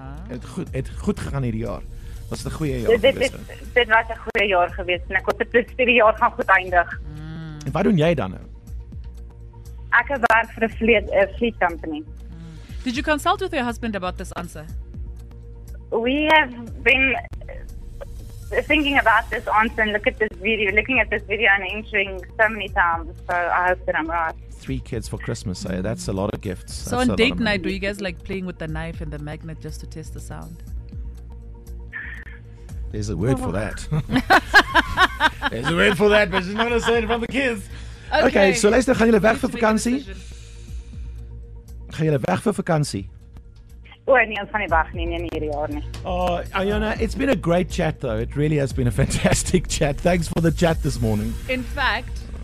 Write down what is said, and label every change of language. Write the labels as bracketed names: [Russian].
[Afrikaans] Het goed gegaan hierdie jaar. Was dit 'n goeie jaar dit was 'n goeie jaar gewees en ek hoop dit hierdie jaar gaan goed eindig. En wat doen jy dan? Ek werk vir 'n fleet company. [English] Did you consult with your husband about this answer? We have been thinking about this answer and looking at this video and answering so many times, so I hope that I'm right. 3 kids for Christmas, that's a lot of gifts. So on date night, were you guys like playing with the knife and the magnet just to test the sound? There's a word for that. There's a word for that, but she's not going to say it in front of the kids. Okay, [Afrikaans] so luister, gaan jullie weg voor vakantie? Gaan jullie weg voor vakantie? Nee, [English] Iona, it's been a great chat though. It really has been a fantastic chat. Thanks for the chat this morning. In fact,